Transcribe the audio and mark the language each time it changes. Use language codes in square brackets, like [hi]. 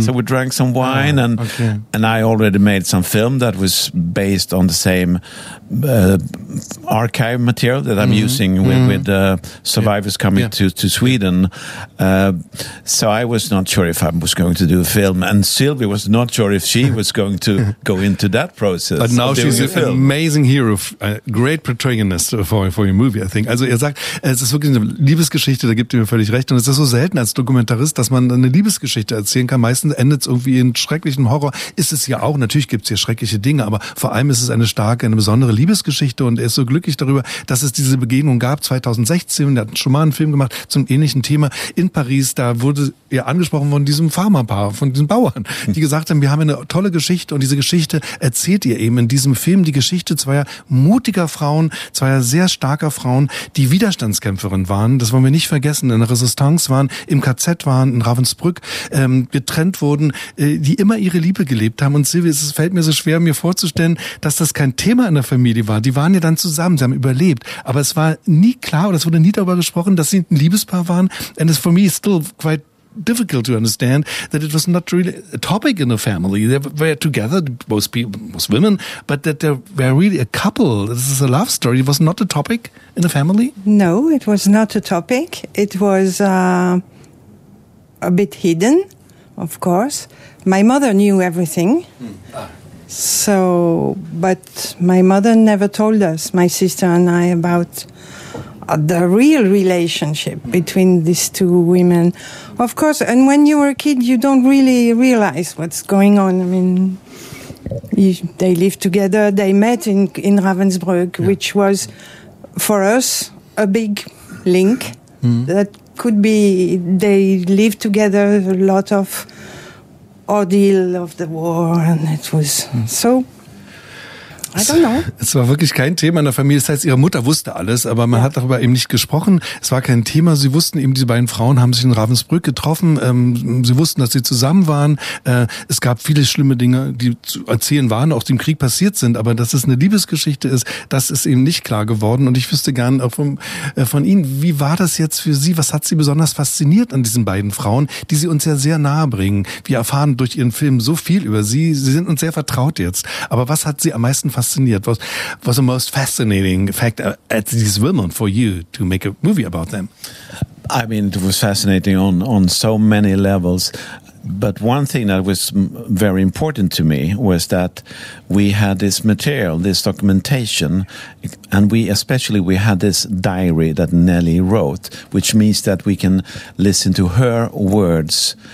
[en] So we drank some wine and I already made some film that was based on the same archive material that I'm using with survivors coming to Sweden. So I was not sure if I was going to do a film, and Sylvie was not sure if she was going to go into that process. But now she's an amazing hero, great protagonist for your movie, I think. [de] Also er sagt, es ist wirklich eine Liebesgeschichte, da gibt ihr mir völlig recht. Und es ist so selten als Dokumentarist, dass man eine Liebesgeschichte erzählen kann. Meistens endet es irgendwie in schrecklichem Horror. Ist es ja auch, natürlich gibt es hier schreckliche Dinge, aber vor allem ist es eine starke, eine besondere Liebesgeschichte. Und er ist so glücklich darüber, dass es diese Begegnung gab 2016. Er hat schon mal einen Film gemacht zum ähnlichen Thema in Paris. Da wurde er angesprochen von diesem Pharmapaar, von diesen Bauern, die gesagt haben, wir haben eine tolle Geschichte. Und diese Geschichte erzählt ihr eben in diesem Film, die Geschichte zweier mutiger Frauen, zweier sehr starker Frauen, die wieder Widerstandskämpferin waren, das wollen wir nicht vergessen, in der Resistance waren, im KZ waren, in Ravensbrück, getrennt wurden, die immer ihre Liebe gelebt haben. Und Silvia, es fällt mir so schwer, mir vorzustellen, dass das kein Thema in der Familie war. Die waren ja dann zusammen, sie haben überlebt. Aber es war nie klar, oder es wurde nie darüber gesprochen, dass sie ein Liebespaar waren. [en] And it's for me still quite difficult to understand that it was not really a topic in the family. They were together, most people, most women, but that they were really a couple. This is a love story. It was not a topic in the family? No, it was not a topic. It was a bit hidden, of course. My mother knew everything. So, but my mother never told us, my sister and I, about the real relationship between these two women. Of course, and when you were a kid, you don't really realize what's going on. I mean, they lived together, they met in Ravensbrück, which was, for us, a big link that could be, they lived together, a lot of ordeal of the war, and it was so... I don't know. [de] Es war wirklich kein Thema in der Familie. Das heißt, ihre Mutter wusste alles, aber man hat darüber eben nicht gesprochen. Es war kein Thema. Sie wussten eben, diese beiden Frauen haben sich in Ravensbrück getroffen. Sie wussten, dass sie zusammen waren. Es gab viele schlimme Dinge, die zu erzählen waren, auch die im Krieg passiert sind. Aber dass es eine Liebesgeschichte ist, das ist eben nicht klar geworden. Und ich wüsste gern auch von Ihnen, wie war das jetzt für Sie? Was hat Sie besonders fasziniert an diesen beiden Frauen, die Sie uns ja sehr nahe bringen? Wir erfahren durch Ihren Film so viel über Sie. Sie sind uns sehr vertraut jetzt. Aber was hat Sie am meisten fasziniert? [en] What's the most fascinating fact at these women for you to make a movie about them? I mean, it was fascinating on so many levels. But one thing that was very important to me was that we had this material, this documentation, and we had this diary that Nelly wrote, which means that we can listen to her words.